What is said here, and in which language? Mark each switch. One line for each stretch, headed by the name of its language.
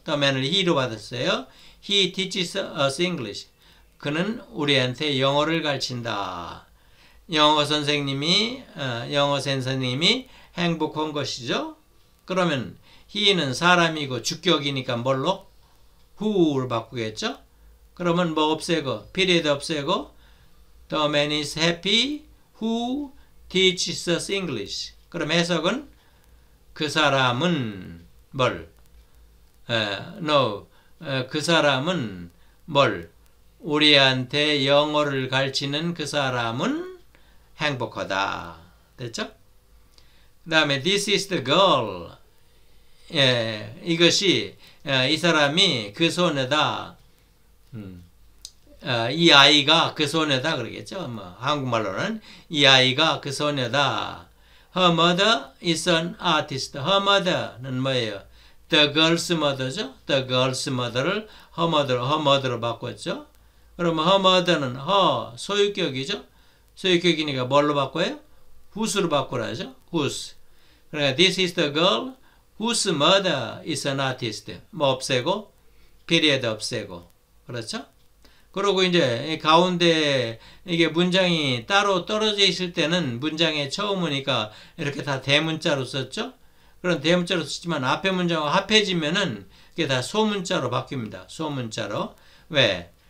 English: The man을 he로 받았어요. He teaches us English.
Korean: 그는 우리한테 영어를 가르친다. 영어 선생님이 영어 선생님이 행복한 것이죠. 그러면 he는 사람이고 주격이니까 뭘로? who로 바꾸겠죠. 그러면 뭐 없애고?
English: period
Korean: 없애고
English: The man is happy who teaches us English.
Korean: 그럼 해석은 그 사람은 뭘? No, 그 사람은 뭘? 우리한테 영어를 가르치는 그 사람은 행복하다. 됐죠? 그 다음에
English: this is the girl.
Korean: 예, 이것이 이 사람이 그 소녀다. 이 아이가 그 소녀다 그러겠죠. 뭐 한국말로는 이 아이가 그 소녀다.
English: Her mother is an artist. Her mother는
Korean: 뭐예요?
English: The girl's mother죠. The girl's mother를 her mother로 바꿨죠.
Korean: 그러면 her mother는 her 소유격이죠. 소유격이니까 뭘로 바꿔요? Whose로 바꾸라죠. Whose. 그러니까
English: this is the girl whose mother is an artist.
Korean: 뭐 없애고 period 없애고 그렇죠? 그리고 이제 가운데 이게 문장이 따로 떨어져 있을 때는 문장의 처음이니까 이렇게 다 대문자로 썼죠. 그런 대문자로 썼지만 앞에 문장과 합해지면은 이게 다 소문자로 바뀝니다. 소문자로. 왜?